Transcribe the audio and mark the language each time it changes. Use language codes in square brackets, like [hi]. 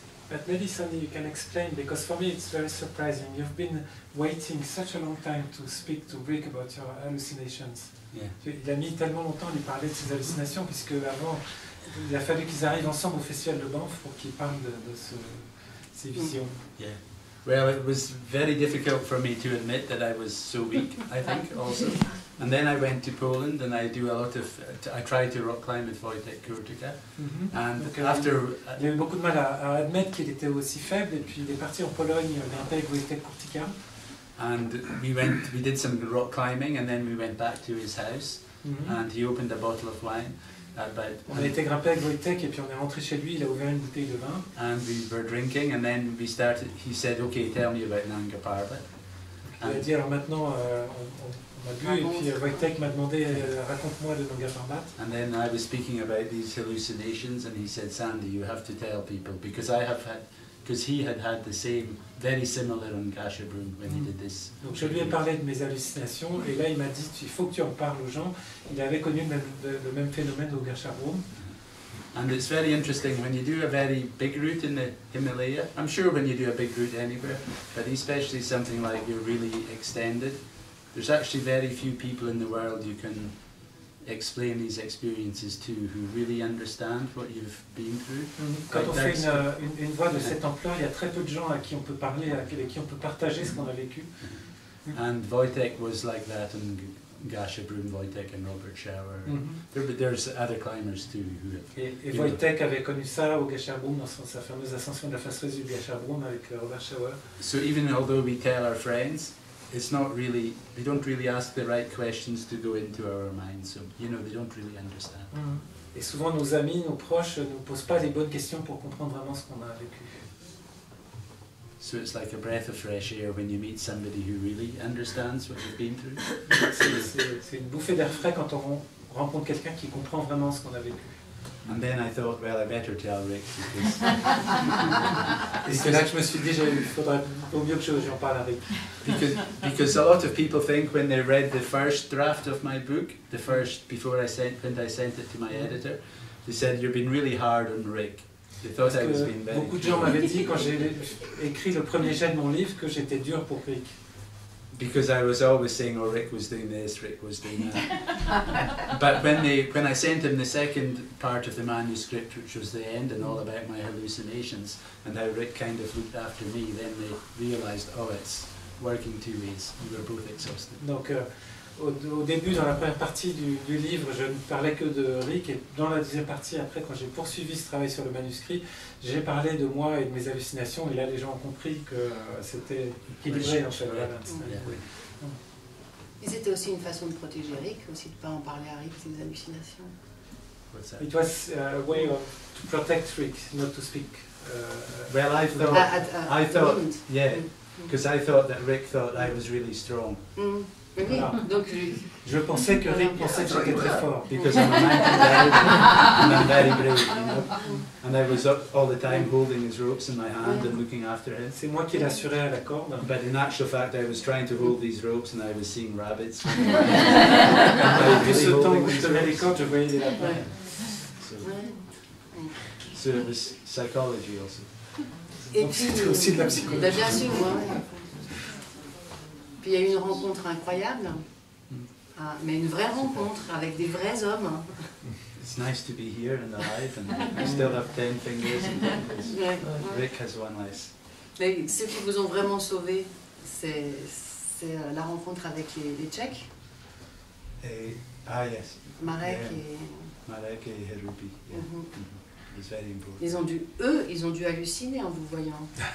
[en] But maybe Sandy, you can explain, because for me it's very surprising. You've been waiting such a long time to speak to Rick about your hallucinations. Yeah. [fr] Il a mis tellement longtemps à lui parler de ses hallucinations, puisque avant, il a fallu qu'ils arrivent ensemble au festival de Banff pour qu'ils parlent de ses visions. [en] Yeah. Well, it was very difficult for me to admit that I was so weak, I think, also. And then I went to Poland, and I do a lot of. I try to rock climb with Wojtek Kurtyka. Mm-hmm. And okay. After. [fr] Il y a eu beaucoup de mal à admettre qu'il était aussi faible, et puis il est parti en Pologne grimper avec Wojtek Kurtyka. [en] And we did some rock climbing, and then we went back to his house, mm-hmm. and he opened a bottle of wine. [fr] On a été grimper avec Wojtek, et puis on est rentré chez lui, il a ouvert une bouteille de vin. [en] And we were drinking, and then we started. He said, "Okay, tell me about Nanga Parbat." [fr] Il a dit, alors maintenant, on a bu, et puis Wojtek m'a demandé, raconte-moi de Nanga Parbat. [en] And then I was speaking about these hallucinations, and he said, "Sandy, you have to tell people, because I have had, because he had had the same, very similar on Gashabrun when he did this." [fr] Donc je lui ai parlé de mes hallucinations, et là il m'a dit, il faut que tu en parles aux gens. Il avait connu le même phénomène au Gashabrun. [en] And it's very interesting when you do a very big route in the Himalaya. I'm sure when you do a big route anywhere, but especially something like you're really extended, there's actually very few people in the world you can explain these experiences to who really understand what you've been through. Mm-hmm. [fr] Quand on fait une voie de cette ampleur, il y a très peu de gens à qui on peut parler, avec qui on peut partager ce qu'on a vécu. [en] Mm-hmm. And Wojtek was like that, and Gashabrun, Wojtek and Robert Schauer. Mm-hmm. There's other climbers too. Who have, [fr] et Wojtek avait connu ça au Gashabrun, dans sa fameuse ascension de la face du Gashabrun avec Robert Schauer. [en] So even although we tell our friends, it's not really, we don't really ask the right questions to go into our minds, so, you know, they don't really understand. Mm-hmm. [fr] Et souvent nos amis, nos proches, ne posent pas les bonnes questions pour comprendre vraiment ce qu'on a vécu. [en] Yeah. So it's like a breath of fresh air when you meet somebody who really understands what you've been through. [fr] C'est une bouffée d'air frais quand on rencontre quelqu'un qui comprend vraiment ce qu'on a vécu. [en] And then I thought, well, I better tell Rick. Because... [fr] Et c'est là que je me suis dit, il faudrait au mieux que j'en parle à Rick. [en] Because a lot of people think when they read the first draft of my book, the first before I sent when I sent it to my editor, they said you've been really hard on Rick. They thought [fr] Parce [en] I was being bad. [fr] Beaucoup de gens m'avaient dit quand j'ai écrit le premier jet de mon livre que j'étais dur pour Rick. [en] Because I was always saying, oh, Rick was doing this, Rick was doing that. But when I sent him the second part of the manuscript, which was the end and all about my hallucinations, and how Rick kind of looked after me, then they realized, oh, it's working two ways. We were both exhausted. [fr] Donc, au début, dans la première partie du livre, je ne parlais que de Rick, et dans la deuxième partie, après, quand j'ai poursuivi ce travail sur le manuscrit, j'ai parlé de moi et de mes hallucinations, et là, les gens ont compris que c'était équilibré, en fait. Voilà. Et c'était aussi une façon de protéger Rick, aussi de ne pas en parler à Rick, ses hallucinations. [en] It was a way of to protect Rick, not to speak. Well, I thought, yeah, because I thought that Rick thought I was really strong. Mm. [fr] Voilà. Je pensais que Rick pensait que j'étais très fort. [en] Because I'm a mountain guy and I'm very brave, you know. And I was up all the time holding his ropes in my hand and looking after him. [fr] C'est moi qui l'assurais à la corde. [en] But in actual fact, I was trying to hold these ropes and I was seeing rabbits. [fr] Tout ce temps où je tenais les cordes, je voyais des lapins. [en] So it was psychology also. [fr] C'était aussi de la psychologie. Bien sûr, moi. Puis il y a eu une rencontre incroyable, mais une vraie rencontre avec des vrais hommes. [en] It's nice to be here and alive, and I still have 10 fingers. Rick has one less. [fr] Mais ceux qui vous ont vraiment sauvé, c'est la rencontre avec les Tchèques. [en] Yes. [fr] Marek et [en] Herubi. Yeah. Mm-hmm. It's very important. [fr] Ils ont dû halluciner en vous voyant.